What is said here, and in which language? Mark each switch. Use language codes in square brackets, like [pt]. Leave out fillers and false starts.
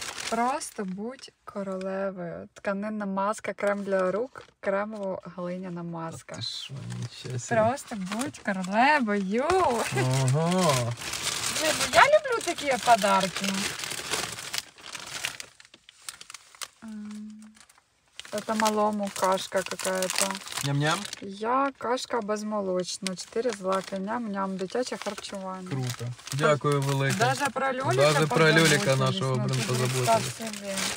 [uk] Просто будь королевою. Тканинна маска, крем для рук, кремово-глиняна маска. Ти що, нічого себе. Просто будь королевою. Ага. Блін, я люблю такі подарки. [ru] Это малому кашка какая-то. Ням-ням? Я кашка безмолочная, 4 злака, ням-ням, [uk] дитяче харчування. Круто. Дякую велике. [ru] Даже про Люлика. Даже про Люлика [uk] нашого, [ru] блин, позаботили.